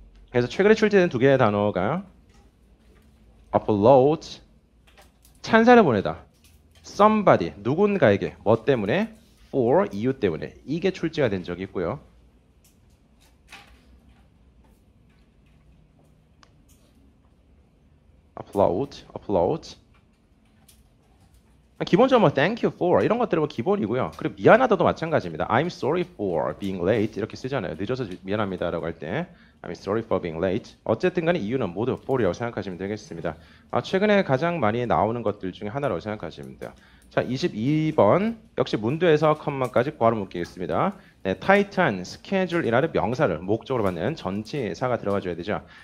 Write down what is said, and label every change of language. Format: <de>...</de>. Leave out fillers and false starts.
<ko>그래서 최근에 출제된 두 개의 단어가 upload 찬사를 보내다 somebody 누군가에게 뭐 때문에 for 이유 때문에 이게 출제가 된 적이 있고요. upload 기본적으로 thank you for 이런 것들은 뭐 기본이고요. 그리고 미안하다도 마찬가지입니다.</ko> <en>I'm sorry for being late</en> <ko>이렇게 쓰잖아요. 늦어서 미안합니다라고 할 때</ko> <en>I'm sorry for being late.</en> <ko>어쨌든 간에 이유는 모두 for이라고 생각하시면 되겠습니다. 아, 최근에 가장 많이 나오는 것들 중에 하나라고 생각하시면 돼요. 자, 22번 역시 문두에서 컴마까지 괄호 묶겠습니다. 네, 타이트한 스케줄이라는 명사를 목적으로 받는 전치사가 들어가줘야 되죠.</ko>